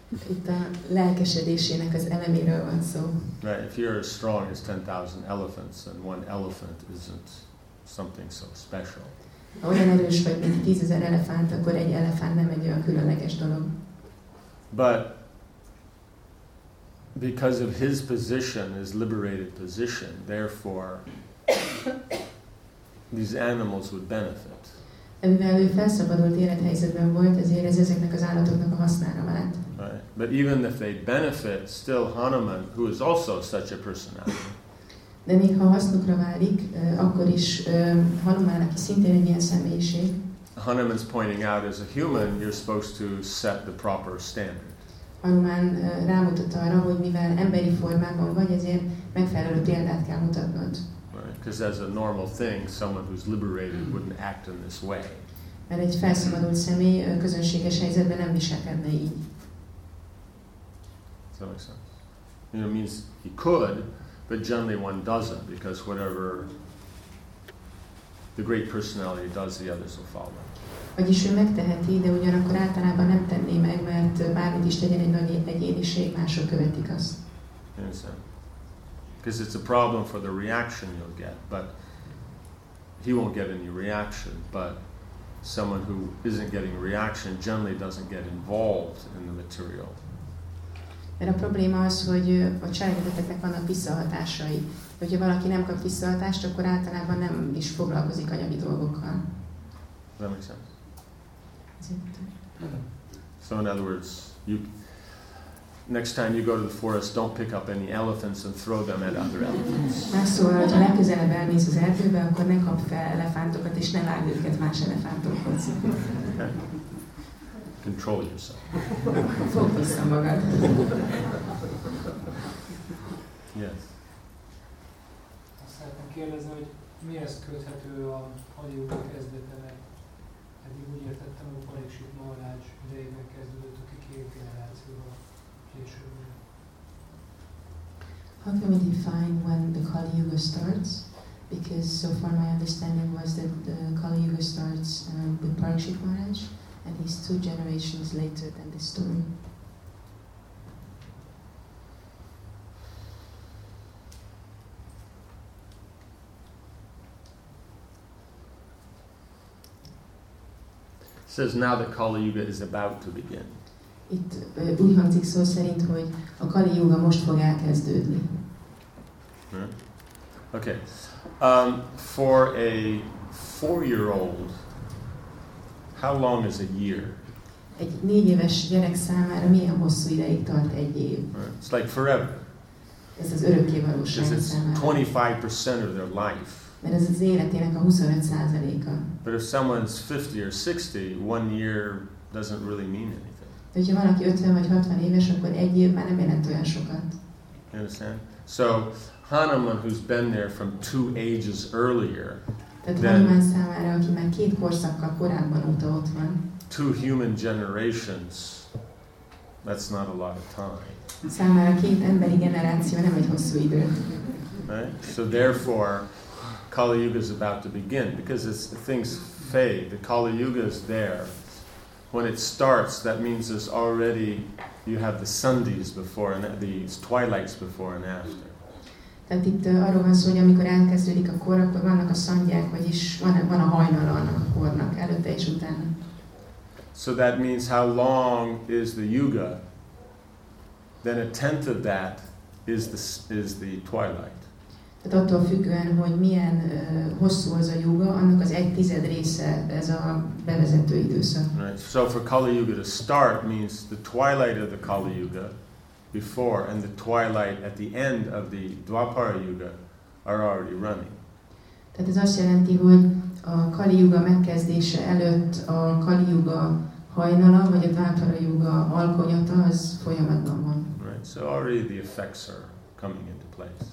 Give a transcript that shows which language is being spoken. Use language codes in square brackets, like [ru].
[hu] Itt a lelkesedésének az eleméről van szó. [en] Right, if you're as strong as 10,000 elephants, then one elephant isn't something so special. [hu] Ha olyan erős vagy, mint 10,000 elefánt, akkor egy elefánt nem egy olyan különleges dolog. [en] But because of his position, his liberated position, therefore these animals would benefit. [hu] Mivel ő felszabadult élethelyzetben volt, ezért ez ezeknek az állatoknak a hasznára vált. [en] Right. But even if they benefit, still Hanuman, who is also such a personality. [hu] De még ha hasznukra válik, akkor is Hanuman, aki szintén egy ilyen személyiség. [en] Hanuman's pointing out, as a human, you're supposed to set the proper standard. [hu] Hanuman rámutat arra, hogy mivel emberi formában vagy, ezért megfelelő példát kell mutatnod. [en] Because as a normal thing, someone who's liberated wouldn't act in this way. [hu] Mert egy felszabadult személy közönséges helyzetben nem viselkedne így. [en] Does that make sense? You know, it means he could, but generally one doesn't, because whatever the great personality does, the others will follow. [hu] Vagyis ő megteheti, de ugyanakkor általában nem tenné meg, mert bármit is tegyen egy nagy egyéniség, mások követik azt. [en] Understand? Because it's a problem for the reaction you'll get, but he won't get any reaction, but someone who isn't getting a reaction generally doesn't get involved in the material. [hu] Mert a probléma az, hogy a cselekedeteknek vannak visszahatásai. Hogyha valaki nem kap visszahatást, akkor általában nem is foglalkozik anyagi dolgokkal. [en] Does that make sense? So in other words, next time you go to the forest, don't pick up any elephants and throw them at other elephants. [hu] Más szóval, hogyha legközelebb elmész az erdőbe, akkor ne kapd fel elefántokat, és ne vágd őket más elefántokhoz. [en] Control yourself. Focus on [hu] magad. [en] Yes. [hu] Azt szeretném kérdezni, hogy mihez köthető a hagyóka kezdetele? Eddig úgy értettem, hogy Parikshit Maharaj idejében kezdődött, aki két generációval később. [en] How can we define when the Kali Yuga starts? Because so far my understanding was that the Kali Yuga starts with Parikshit Maharaj. And he's two generations later than the story. It says now that Kali Yuga is about to begin. [hu] Itt úgy hangzik szó szerint, hogy a Kali Yuga most fog elkezdődni. [en] Okay. For a four-year-old, how long is a year? [hu] Egy 4 éves gyerek számára milyen hosszú ideig tart egy év? [en] Right. It's like forever. [hu] Ez az örökkévalóság számára. [en] It's 25% of their life. [hu] Mert ez az életének a 25%-a. [en] But if someone's 50 or 60, one year doesn't really mean anything. [hu] De hogyha valaki 50 vagy 60 éves, akkor egy év már nem jelent olyan sokat. [en] You understand? So Hanuman, who's been there from two ages earlier, [hu] Hanuman számára, aki már két korszakkal korábban óta ott van. [en] Two human generations, that's not a lot of time. [hu] Számára két emberi generáció nem egy hosszú idő. [en] Right? So therefore, Kali Yuga is about to begin, because it's, things fade. The Kali Yuga is there. When it starts, that means there's already, you have the sundays before, and the twilights before and after. [hu] Tehát itt arról van szó, hogy amikor elkezdődik a kor, akkor vannak a szandják, vagyis van a hajnal annak a kornak, előtte és utána. [en] So that means how long is the yuga? Then a tenth of that is the twilight. [hu] Tehát attól függően, hogy milyen hosszú az a yuga, annak az egy tized része ez a bevezető időszak. [en] Right. So for Kali Yuga to start means the twilight of the Kali Yuga before and the twilight at the end of the Dwapara Yuga are already running. [hu] Tehát ez azt jelenti, hogy a Kali Yuga megkezdése előtt a Kali Yuga hajnala, vagy a Dwapara Yuga alkonyata, az folyamatban van. [en] Right, so already the effects are coming into place.